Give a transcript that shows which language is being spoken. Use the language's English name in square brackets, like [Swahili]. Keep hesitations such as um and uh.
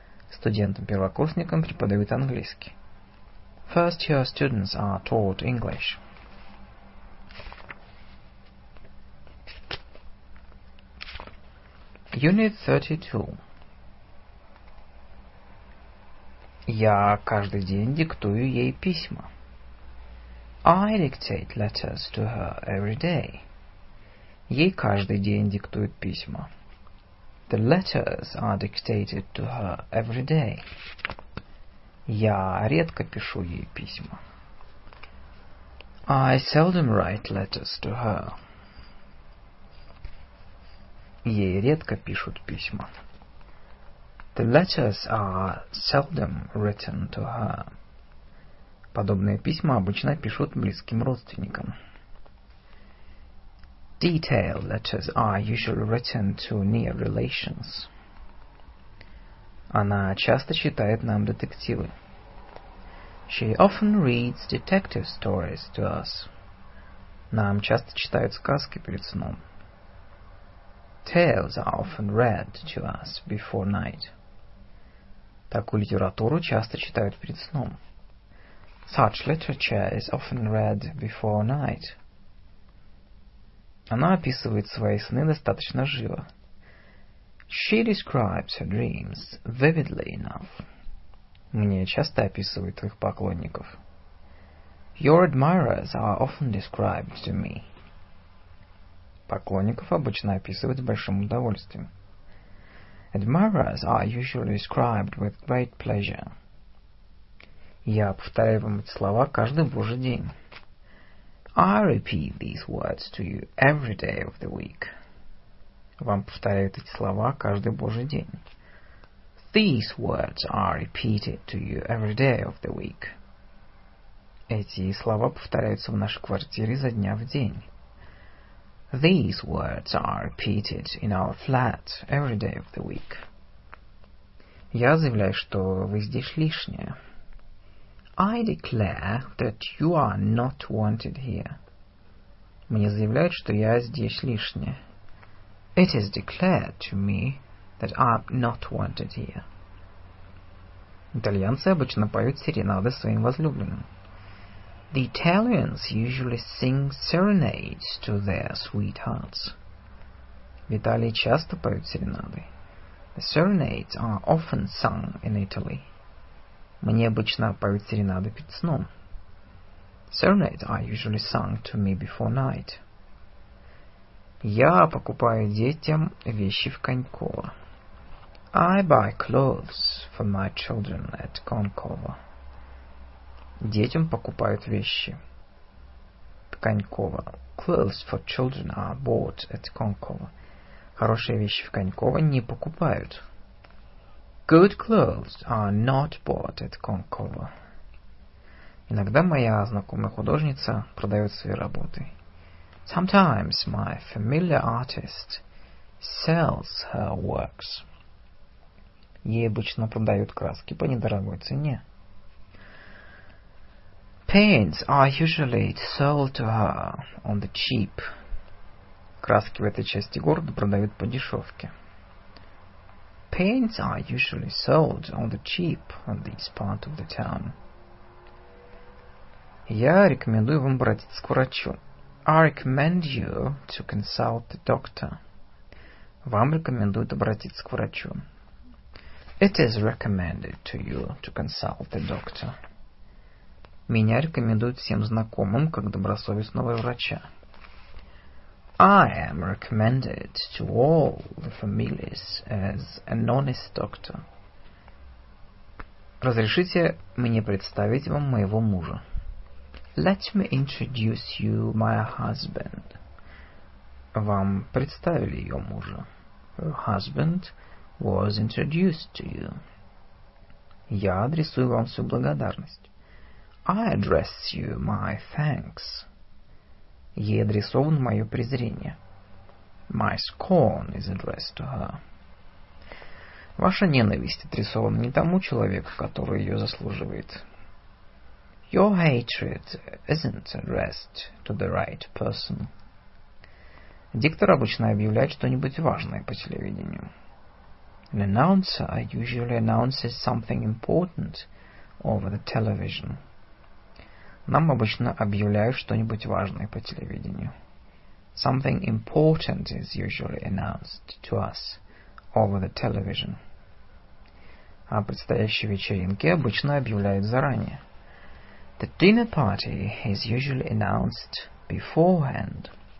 [Russian] Студентам-первокурсникам преподают английский. [English] First-year students are taught English. Unit 32. [Russian] Я каждый день диктую ей письма. [English] I dictate letters to her every day. [Russian] Ей каждый день диктуют письма. [English] The letters are dictated to her every day. [Russian] Я редко пишу ей письма. [English] I seldom write letters to her. [Russian] Ей редко пишут письма. [English] The letters are seldom written to her. [Russian] Подобные письма обычно пишут близким родственникам. [English] Detailed letters are usually written to near relations. [Russian] Она часто читает нам детективы. [English] She often reads detective stories to us. [Russian] Нам часто читают сказки перед сном. [English] Tales are often read to us before night. [Russian] Такую литературу часто читают перед сном. [English] Such literature is often read before night. [Russian] Она описывает свои сны достаточно живо. [English] She describes her dreams vividly enough. [Russian] Мне часто описывают твоих поклонников. [English] Your admirers are often described to me. [Russian] Поклонников обычно описывают с большим удовольствием. [English] Admirers are usually described with great pleasure. [Russian] Я повторяю вам эти слова каждый божий день. [English] I repeat these words to you every day of the week. [Russian] Вам повторяют эти слова каждый божий день. [English] These words are repeated to you every day of the week. [Russian] Эти слова повторяются в нашей квартире за дня в день. [English] These words are repeated in our flat every day of the week. [Russian] Я заявляю, что вы здесь лишние. [English] I declare that you are not wanted here. [Russian] Мне заявляют, что я здесь лишняя. [English] It is declared to me that I'm not wanted here. [Russian] Итальянцы обычно поют серенады своим возлюбленным. [English] The Italians usually sing serenades to their sweethearts. [Russian] В Италии часто поют серенады. [English] The serenades are often sung in Italy. [Russian] Мне обычно поют серенады перед сном. [English] Serenades are usually sung to me before night. [Russian] Я покупаю детям вещи в Конькова. [English] I buy clothes for my children at Конькова. [Russian] Детям покупают вещи. Конькова. [English] Clothes for children are bought at Конькова. [Russian] Хорошие вещи в Конькова не покупают. [English] Good clothes are not bought at Конькова. [Russian] Иногда моя знакомая художница продает свои работы. [English] Sometimes my familiar artist sells her works. [Russian] Ей обычно продают краски по недорогой цене. [English] Paints are usually sold to her on the cheap. [Russian] Краски в этой части города продают по дешевке. [English] Paints are usually sold on the cheap on this part of the town. [Russian] Я рекомендую вам обратиться к врачу. [English] I recommend you to consult the doctor. [Russian] Вам рекомендуют обратиться к врачу. [English] It is recommended to you to consult the doctor. [Russian] Меня рекомендуют всем знакомым как добросовестного врача. [English] I am recommended to all the families as an honest doctor. [Russian] Разрешите мне представить вам моего мужа. [English] Let me introduce you my husband. [Russian] Вам представили ее мужа. [English] Her husband was introduced to you. [Russian] Я адресую вам свою благодарность. [English] I address you my thanks. [Russian] Ей адресовано мое презрение. [English] My scorn is addressed to her. [Russian] Ваша ненависть адресована не тому человеку, который ее заслуживает. [English] Your hatred isn't addressed to the right person. [Russian] Диктор обычно объявляет что-нибудь важное по телевидению. [English] An announcer usually announces something important over the television. [Russian] Нам обычно объявляют что-нибудь важное по телевидению. [English] Something important is usually announced to us over the television. [Russian] О предстоящей вечеринке обычно объявляют заранее. [English] The dinner party is usually announced beforehand.